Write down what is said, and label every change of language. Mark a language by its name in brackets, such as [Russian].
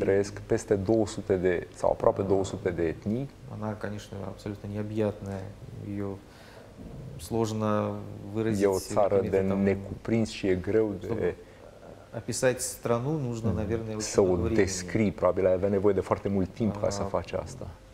[Romanian] Trăiesc peste 200 de sau aproape 200 de etnii. [Russian] Она, конечно, абсолютно необъятная. Её сложно выразить. [Romanian] E o țară de necuprins și e greu de [Russian] описать страну, нужно, наверное, [Romanian] să o descrii, probabil ai avea nevoie de foarte mult timp ca să faci asta.